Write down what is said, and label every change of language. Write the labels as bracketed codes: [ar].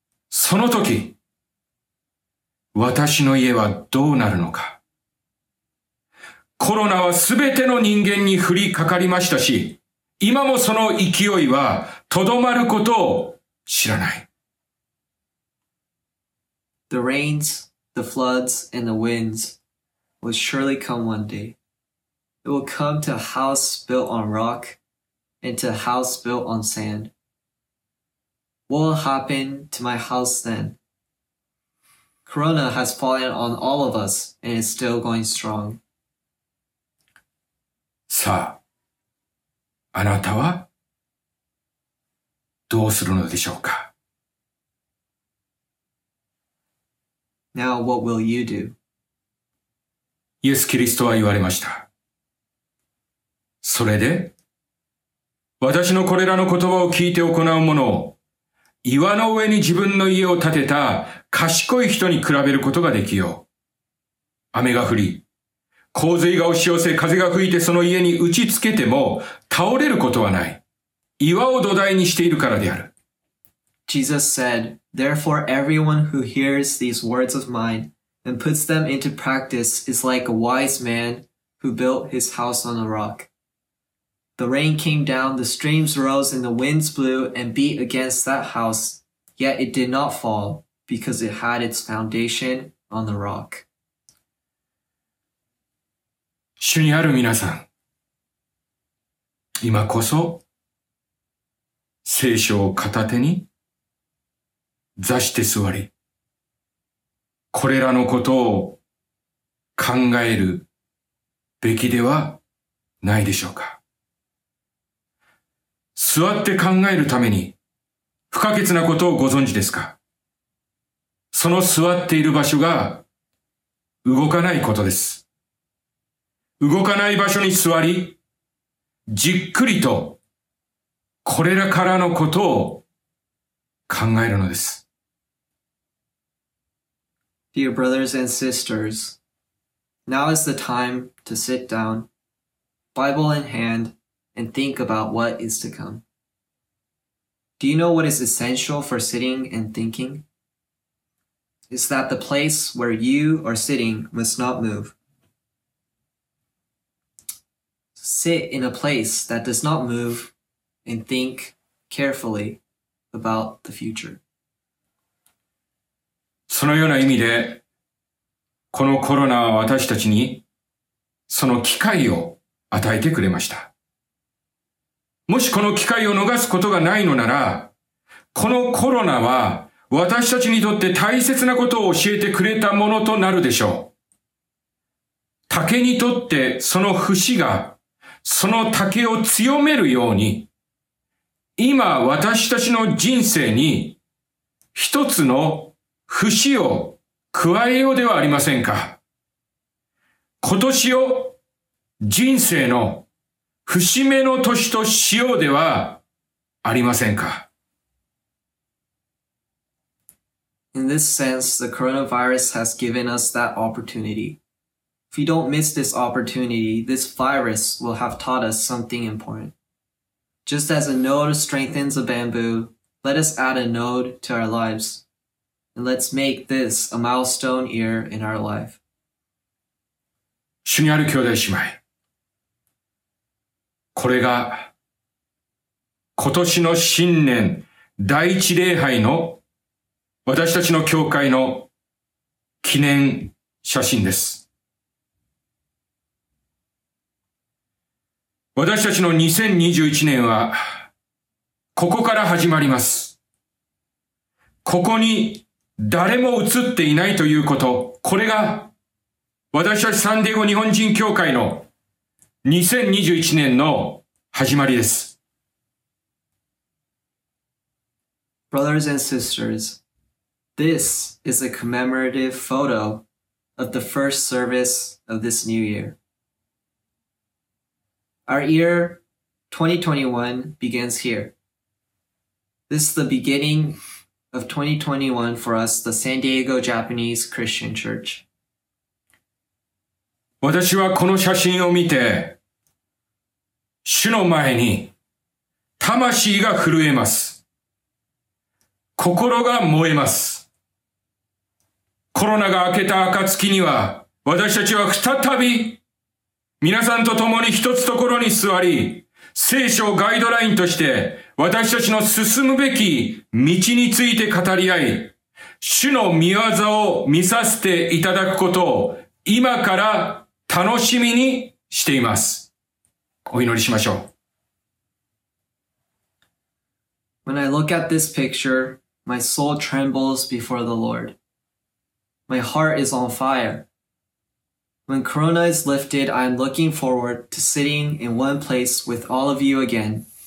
[ja] その時、私の家はどうなるのか。コロナはすべての人間に降りかかりましたし、今もその勢いはとどまることを知らない。 [en] The rains, the floods, and the winds will surely come one day. It will come to a house built on rock and to a house built on sand. What will happen to my house then? Corona has fallen on all of us and is still going strong. [ja] さあ、あなたはどうするのでしょうか? [en] Now, what will you do? [ja] イエス・キリストは言われました。それで、私のこれらの言葉を聞いて行う者を、岩の上に自分の家を建てた賢い人に比べることができよう。雨が降り、洪水が押し寄せ、風が吹いてその家に打ちつけても倒れることはない。岩を土台にしているからである。 [en] Jesus said, Therefore everyone who hears these words of mine and puts them into practice is like a wise man who built his house on a rock. The rain came down, the streams rose, and the winds blew and beat against that house, yet it did not fall because it had its foundation on the rock. [ja] 主にある皆さん、今こそ聖書を片手に座して座り、これらのことを考えるべきではないでしょうか。座って考えるために不可欠なことをご存知ですか？その座っている場所が動かないことです。動かない場所に座り、じっくりとこれらからのことを考えるのです。 [en] Dear brothers and sisters, now is the time to sit down, Bible in hand, and think about what is to come. Do you know what is essential for sitting and thinking? It's that the place where you are sitting must not move. Sit in a place that does not move and think carefully about the future. [ja] そのような意味で、このコロナは私たちにその機会を与えてくれました。もしこの機会を逃すことがないのなら、このコロナは私たちにとって大切なことを教えてくれたものとなるでしょう。竹にとってその節がその竹を強めるように、今私たちの人生に一つの節を加えようではありませんか。今年を人生の節目の年としようではありませんか。 [en] In this sense, the coronavirus has given us that opportunity. If we don't miss this opportunity, this virus will have taught us something important. Just as a node strengthens a bamboo, let us add a node to our lives. And let's make this a milestone year in our life. [ja] 主にある兄弟姉妹、これが今年の新年第一礼拝の私たちの教会の記念写真です。私たちの2021年はここから始まります。ここに誰も映っていないということ、これが私たちサンデーゴ日本人教会の2021年の始まりです。 [en] Brothers and sisters, this is a commemorative photo of the first service of this new year. Our year 2021 begins here. This is the beginningof 2021 for us, the San Diego Japanese Christian Church. [ja] 私はこの写真を見て、主の前に魂が震えます。心が燃えます。コロナが明けた暁には、私たちは再び皆さんと共に一つところに座り、聖書をガイドラインとして私たちの進むべき道について語り合い、主の御業を見させていただくことを今から楽しみにしています。お祈りしましょう。 [en] When I look at this picture, my soul trembles before the Lord. My heart is on fire. When Corona is lifted, I am looking forward to sitting in one place with all of you again.